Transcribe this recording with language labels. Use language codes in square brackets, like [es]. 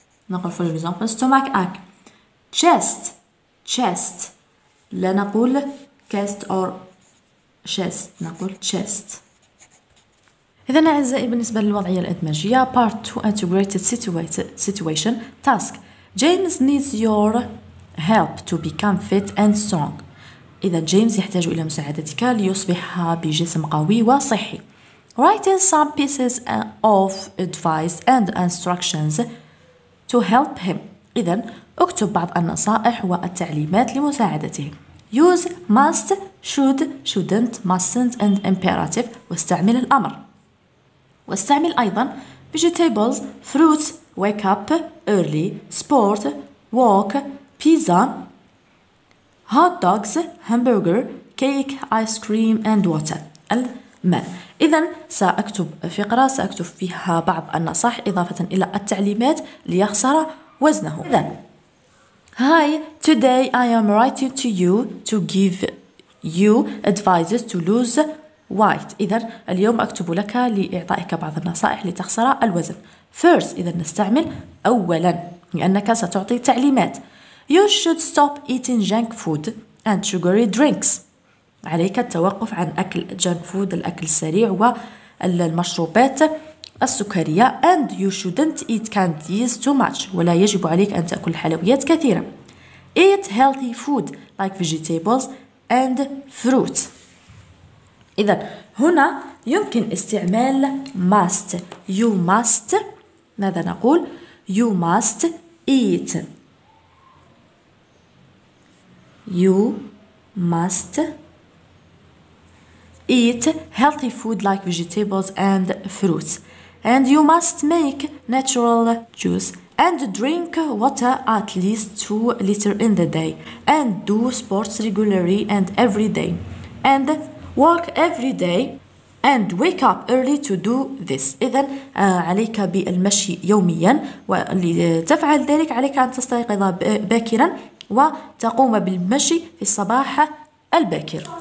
[en] نقول for example stomach ack. chest, chest [ar] لا نقول [en] chest or chest نقول chest. [ar] إذن أعزائي بالنسبة للوضعية الإدماجية [en] part 2 integrated situation task. James needs your help to become fit and strong. [ar] إذا جيمس يحتاج إلى مساعدتك ليصبح بجسم قوي وصحي. [en] Writing some pieces of advice and instructions to help him. [ar] إذا اكتب بعض النصائح والتعليمات لمساعدته. [en] Use must, should, shouldn't, mustn't and imperative [ar] واستعمل الأمر. [en] واستعمل أيضا vegetables, fruits, wake up early, sport, walk, pizza, hot dogs, hamburger, cake, ice cream and water. الماء. [ar] إذن سأكتب فقرة سأكتب فيها بعض النصائح إضافة إلى التعليمات ليخسر وزنه. [en] إذن Hi, today I am writing to you to give you advices to lose weight. [ar] إذن اليوم أكتب لك لإعطائك بعض النصائح لتخسر الوزن. First, إذن نستعمل أولا لأنك ستعطي تعليمات. [en] You should stop eating junk food and sugary drinks. [ar] عليك التوقف عن أكل junk food, الأكل السريع والمشروبات السكرية. [en] And you shouldn't eat candies too much. [ar] ولا يجب عليك أن تأكل الحلويات كثيرا. [en] Eat healthy food like vegetables and fruit. [ar] إذن هنا يمكن استعمال must. [en] You must, [ar] ماذا نقول؟ [en] You must eat. You must eat healthy food like vegetables and fruits. And you must make natural juice and drink water at least 2 liters in the day. And do sports regularly and every day. And walk every day and wake up early to do this. [ar] إذن عليك بالمشي يوميا ولتفعل ذلك عليك أن تستيقظ باكرا وتقوم بالمشي في الصباح الباكر.